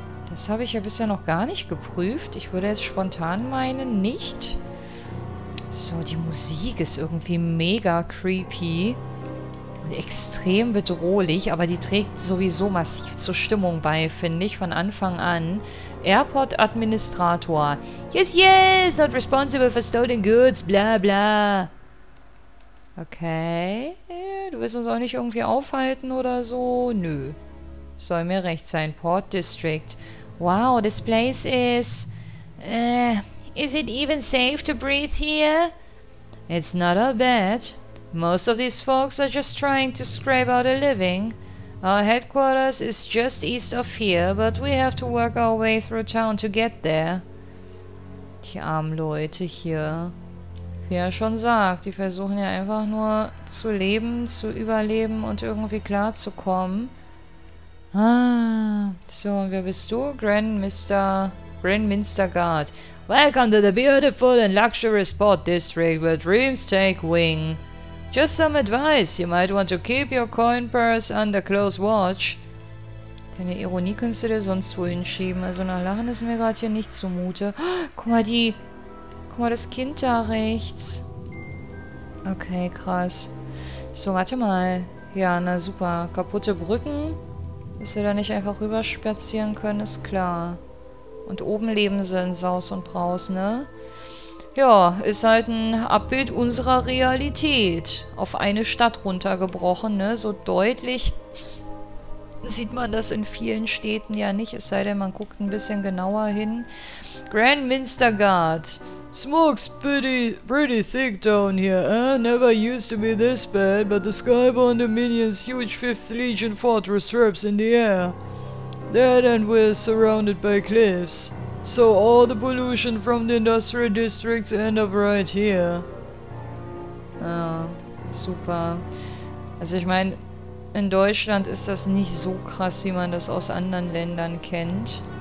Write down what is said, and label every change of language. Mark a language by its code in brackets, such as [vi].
[de] Das habe ich ja bisher noch gar nicht geprüft. Ich würde jetzt spontan meinen, nicht. So, die Musik ist irgendwie mega creepy und extrem bedrohlich, aber die trägt sowieso massiv zur Stimmung bei, finde ich, von Anfang an. [en] Airport Administrator. Yes, yes, not responsible for stolen goods, bla bla. [de] Okay, du willst uns auch nicht irgendwie aufhalten oder so? Nö. Soll mir recht sein. Port District. [en] Wow, this place is... is it even safe to breathe here? It's not all bad. Most of these folks are just trying to scrape out a living. Our headquarters is just east of here, but we have to work our way through town to get there. [de] Die armen Leute hier. Wie er schon sagt, die versuchen ja einfach nur zu leben, zu überleben und irgendwie klarzukommen. Ah, so, und wer bist du? Grandmaster Guard. [en] Welcome to the beautiful and luxury sport district where dreams take wing. Just some advice, you might want to keep your coin purse under close watch. [de] Keine Ironie kannst du dir sonst wohin schieben. Also nach Lachen ist mir gerade hier nicht zumute. Oh, guck mal die... Guck mal das Kind da rechts. Okay, krass. So, warte mal. Ja, na super. Kaputte Brücken. Dass wir da nicht einfach rüberspazieren können, ist klar. Und oben leben sie in Saus und Braus, ne? Ja, ist halt ein Abbild unserer Realität. Auf eine Stadt runtergebrochen, ne? So deutlich sieht man das in vielen Städten ja nicht. Es sei denn, man guckt ein bisschen genauer hin. [en] Grand Minster Guard. Smoke's pretty thick down here, eh? Never used to be this bad, but the Skyborn Dominion's huge 5th Legion Fortress traps in the air. That and we're surrounded by cliffs. So all the pollution from the industrial districts end up right here. [de] Ah, super. Also ich meine, in Deutschland ist das nicht so krass, wie man das aus anderen Ländern kennt.